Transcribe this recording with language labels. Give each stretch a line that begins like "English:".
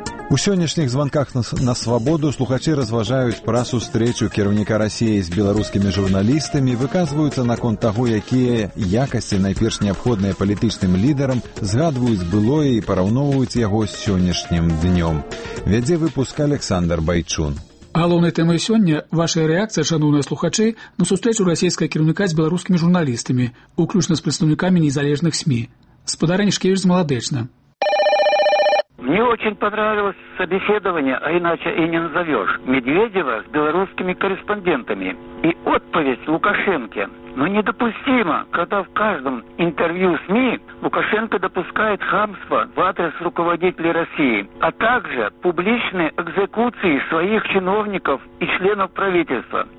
Belarusian: У сённяшніх званках на свабоду слухачы разважаюць пра сустрэчу кіраўніка Расіі з беларускімі журналістамі, выказваюцца наконт таго, якія якасці найперш неабходныя палітычным лідарам, згадваюць былое і параўноўваюць яго з сённяшнім днём. Вядзе выпуск Александр Байчун. Галоўнай тэмай сёння вашая рэакцыя, шаноўныя слухачы, на сустрэчу расійскага кіраўніка з беларускімі журналістамі, уключна з прадстаўнікамі незалежных СМІ. Спадарэн Шкевіч з Маладэчна.
Russian: Мне очень понравилось собеседование, а иначе и не назовешь, Медведева с белорусскими корреспондентами. И отповедь Лукашенко. Но недопустимо, когда в каждом интервью СМИ Лукашенко допускает хамство в адрес руководителей России, а также публичные экзекуции своих чиновников и членов правительства.